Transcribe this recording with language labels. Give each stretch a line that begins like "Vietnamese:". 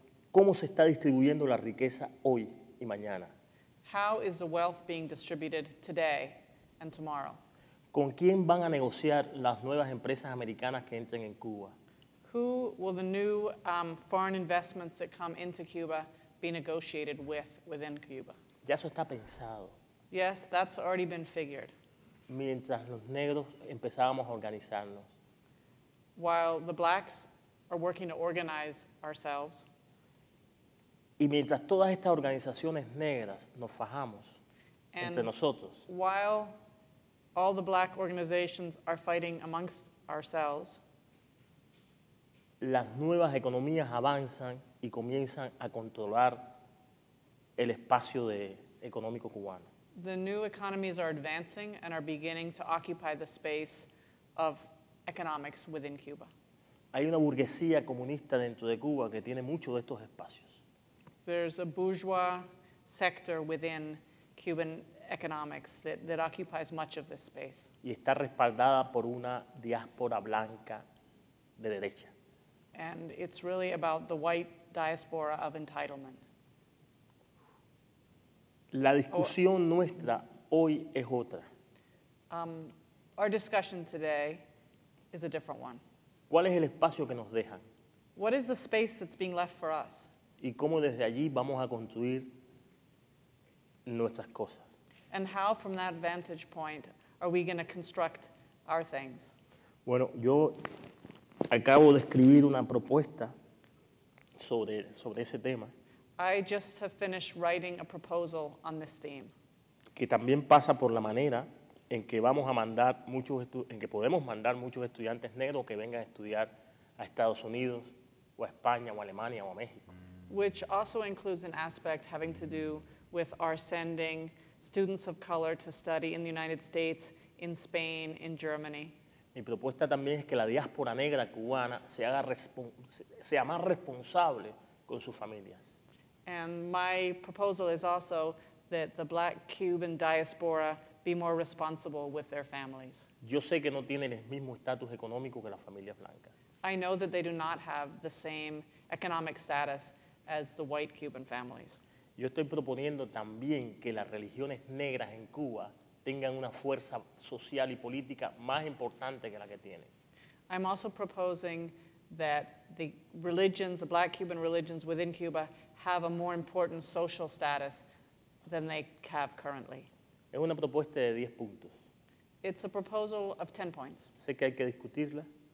Spanish: ¿Cómo se está distribuyendo la riqueza hoy y mañana?
English: How is the wealth being distributed today and tomorrow?
Spanish: ¿Con quién van a negociar las nuevas empresas americanas que entren en Cuba?
English: Who will the new foreign investments that come into Cuba be negotiated with within Cuba?
Spanish: Ya eso está pensado.
English: Yes, that's already been figured.
Spanish: Mientras los negros empezábamos a organizarnos.
English: While the blacks are working to organize ourselves.
Spanish: Y mientras todas estas organizaciones negras nos fajamos entre nosotros.
English: While all the black organizations are fighting amongst ourselves.
Spanish: Las nuevas economías avanzan y comienzan a controlar el espacio económico cubano.
English: The new economies are advancing and are beginning to occupy the space of economics within Cuba.
Spanish: Hay una burguesía comunista dentro de Cuba que tiene muchos de estos espacios.
English: There's a bourgeois sector within Cuban economics that occupies much of this space.
Spanish: Y está respaldada por una diáspora blanca de derecha.
English: And it's really about the white diaspora of entitlement.
Spanish: La discusión nuestra hoy es otra.
English: Our discussion today is a different one.
Spanish: ¿Cuál es el espacio que nos dejan?
English: What is the space that's being left for us?
Spanish: ¿Y cómo desde allí vamos a construir nuestras cosas?
English: And how from that vantage point are we going to construct our things?
Spanish: Bueno, yo acabo de escribir una propuesta sobre ese tema.
English: I just have finished writing a proposal on this theme.
Spanish: Que también pasa por la manera en que vamos a mandar muchos en que podemos mandar muchos estudiantes negros que vengan a estudiar a Estados Unidos o a España o a Alemania o a México.
English: Which also includes an aspect having to do with our sending students of color to study in the United States, in Spain, in Germany.
Spanish: Mi propuesta también es que la diáspora negra cubana se haga sea más responsable con sus familias.
English: And my proposal is also that the black Cuban diaspora be more responsible with their families.
Spanish: Yo sé que no tienen el mismo estatus económico que las familias blancas.
English: I know that they do not have the same economic status as the white Cuban families.
Spanish: Yo estoy proponiendo también que las religiones negras en Cuba tengan una fuerza social y política más importante que la que tienen.
English: I'm also proposing that the religions, the black Cuban religions within Cuba, have a more important social status than they have currently.
Spanish: Es una propuesta de 10 puntos.
English: It's a proposal of 10 points.
Spanish: Sé que hay que discutirla.